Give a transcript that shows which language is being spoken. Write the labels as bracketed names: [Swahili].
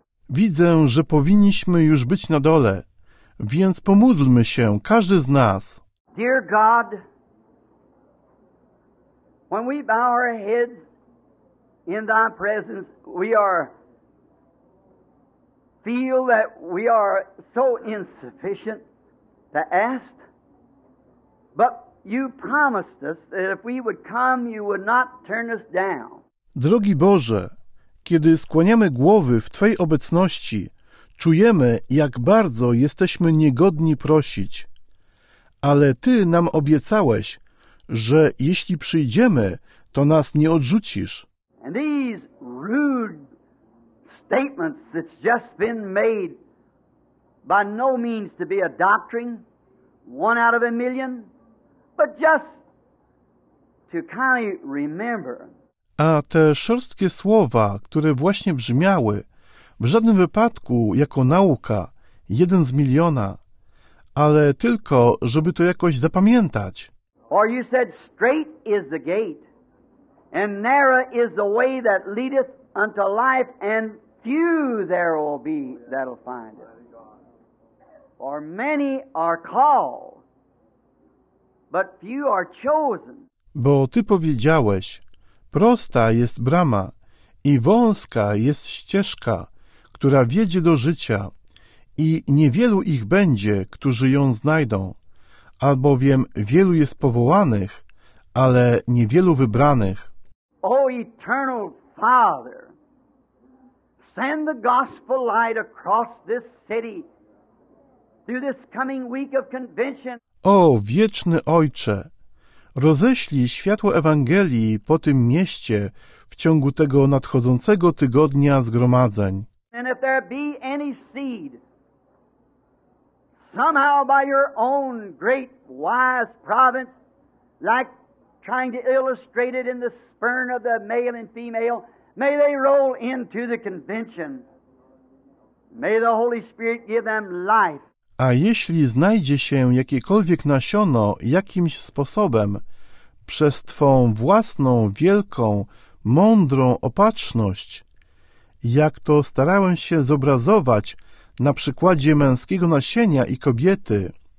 [Polish] Widzę, że powinniśmy już być na dole, więc pomódlmy się, każdy z nas. [English] Dear God, when we bow our heads in Thy presence, we are feel that we are so insufficient to ask, but you promised us that if we would come, you would not turn us down. [Polish] Drogi Boże, kiedy skłaniamy głowy w Twojej obecności, czujemy, jak bardzo jesteśmy niegodni prosić. Ale Ty nam obiecałeś, że jeśli przyjdziemy, to nas nie odrzucisz. [English] And these rude statements that's just been made by no means to be a doctrine, one out of a million, but just to kindly remember. [Polish] A te szorstkie słowa, które właśnie brzmiały, w żadnym wypadku jako nauka, jeden z miliona, ale tylko, żeby to jakoś zapamiętać. [English] Or you said, straight is the gate, and narrow is the way that leadeth unto life, and few there will be that'll find it. For many are called, but few are chosen. [Polish] Bo Ty powiedziałeś, prosta jest brama i wąska jest ścieżka, która wiedzie do życia i niewielu ich będzie, którzy ją znajdą, albowiem wielu jest powołanych, ale niewielu wybranych. [English] O Eternal Father, send the gospel light across this city through this coming week of convention. [Polish] O wieczny Ojcze, roześlij światło Ewangelii po tym mieście w ciągu tego nadchodzącego tygodnia zgromadzeń. [English] And if there be any seed, somehow by your own great wise providence, like trying to illustrate it in the spurn of the male and female, may they roll into the convention. May the Holy Spirit give them life. [Polish] A jeśli znajdzie się jakiekolwiek nasiono jakimś sposobem, przez Twą własną wielką, mądrą opatrzność, jak to starałem się zobrazować na przykładzie męskiego nasienia i kobiety.